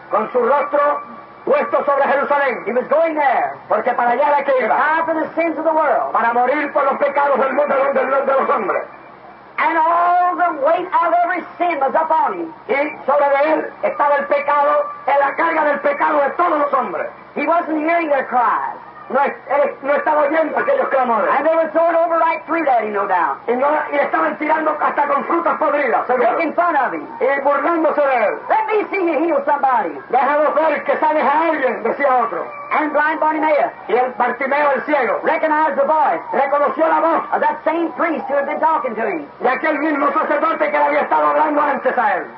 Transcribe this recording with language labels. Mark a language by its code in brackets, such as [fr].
[es] con su rostro puesto sobre Jerusalén. [en] He was going there. [es] Porque para allá era que iba. [en] To die for the sins of the world. [es] Para morir por los pecados del mundo de los hombres. [en] And all the weight of every sin was upon him. [es] Y sobre él estaba el pecado, la carga del pecado de todos los hombres. [en] He wasn't hearing their cries. [es] No estaba oyendo aquellos clamores. [en] And they were throwing over right fruit at him, no doubt. [es] Y estaban tirando hasta con frutas podridas, seguro. [en] Making fun of him. [es] Y burlándose de él. [en] Let me see you heal somebody. [es] Déjalos ver que sanes a alguien, decía otro. [en] And blind Bartimaeus. [es] Y el Bartimeo el ciego. [en] Recognized the voice. [es] Reconoció la voz. [en] Of that same priest who had been talking to him. [es] Y aquel mismo sacerdote que le había estado hablando antes a él.